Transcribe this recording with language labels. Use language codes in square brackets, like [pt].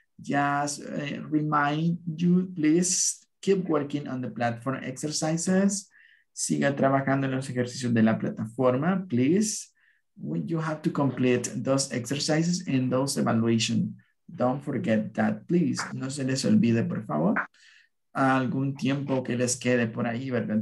[en] Just remind you, please keep working on the platform exercises. [es] Siga trabajando en los ejercicios de la plataforma, please. [en] You have to complete those exercises and those evaluations. Don't forget that, please. [es] No se les olvide, por favor. Algún tiempo que les quede por ahí, ¿verdad?